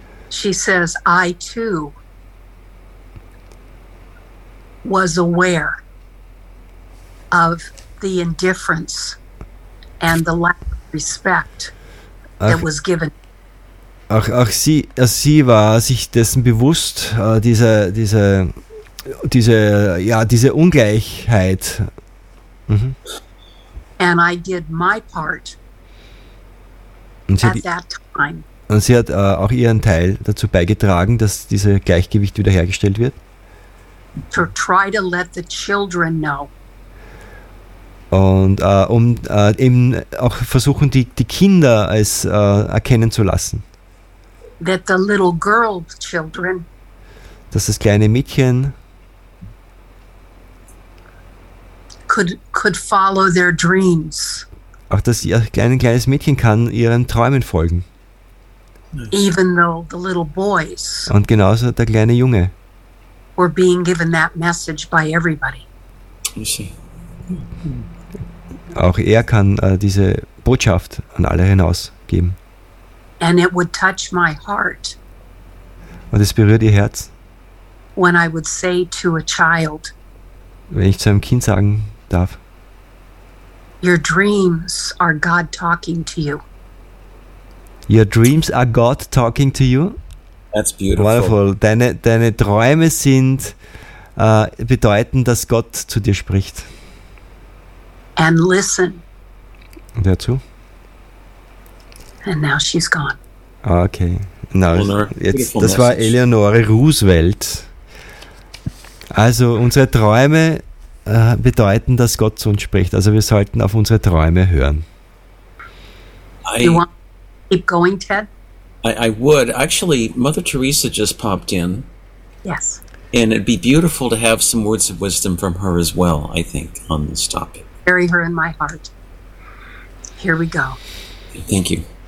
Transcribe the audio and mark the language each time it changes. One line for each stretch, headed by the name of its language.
English: She says, I too was aware of the indifference and the lack of respect that was given.
German: Sie war sich dessen bewusst, diese Ungleichheit. Mhm.
English: And I did my part at that time.
German: Und sie hat auch ihren Teil dazu beigetragen, dass dieses Gleichgewicht wiederhergestellt wird.
English: To try to let the children know.
German: Und eben auch versuchen, die Kinder es erkennen zu lassen.
English: that the little girl children,
German: dass das kleine Mädchen,
English: could follow their dreams.
German: Auch dass ihr kleines Mädchen kann ihren Träumen folgen.
English: Even though the little boys,
German: und genauso der kleine Junge,
English: were being given that message by everybody.
German: Auch er kann diese Botschaft an alle hinausgeben.
English: And it would touch my heart.
German: Und es berührt ihr Herz.
English: When I would say to a child,
German: wenn ich zu einem Kind sagen darf,
English: your dreams are God talking to you. Your dreams are God talking to you. That's beautiful. Wonderful.
German: Deine Träume sind bedeuten, dass Gott zu dir spricht.
English: And listen.
German: Und hör zu.
English: And now she's gone. Okay.
German: Now, jetzt, das war Eleonore Roosevelt. Also unsere Träume bedeuten, dass Gott zu uns spricht. Also wir sollten auf unsere Träume hören.
English: Keep going, Ted? I would. Actually, Mother Teresa just popped in. Yes. And it'd be beautiful to have some words of wisdom from her as well, I think, on this topic. Bury her in my heart. Here we go. Thank you.